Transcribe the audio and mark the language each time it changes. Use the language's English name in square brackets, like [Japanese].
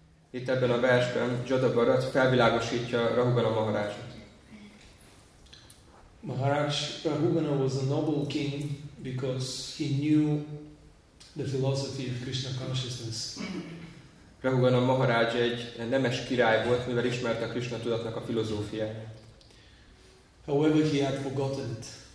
[Hungarian] Itt ebben a versben Jadvarat felvilágosítja Rahugana Maharajot. [English] Maharaj Rahugana was a noble king because he knew the philosophy of Krishna consciousness. [Hungarian] Rahugana Maharaj egy nemes király volt, mivel ismerte a Krishna tudatnak a filozófiáját. [English] However, he had forgotten it.